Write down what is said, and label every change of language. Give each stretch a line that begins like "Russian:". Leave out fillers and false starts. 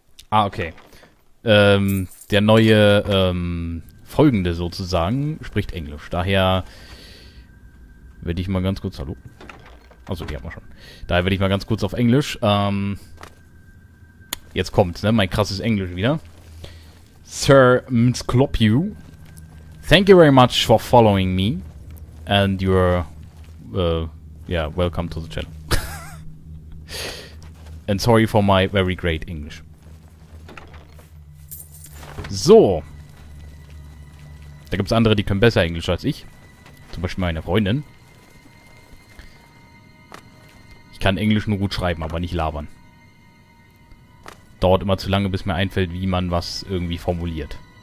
German: Ah, okay. Der neue, Folgende sozusagen spricht Englisch. Daher werde ich mal ganz kurz... Hallo? Achso, die haben wir schon. Daher werde ich mal ganz kurz auf Englisch, jetzt kommt's, ne? Mein krasses Englisch wieder.
English: Sir Mnsklopju, thank you very much for following me and you're, welcome to the channel. And sorry for my very great English.
German: So. Da gibt's andere, die können besser Englisch als ich. Zum Beispiel meine Freundin. Ich kann Englisch nur gut schreiben, aber nicht labern. Dauert immer zu lange, bis mir einfällt, wie man was irgendwie formuliert.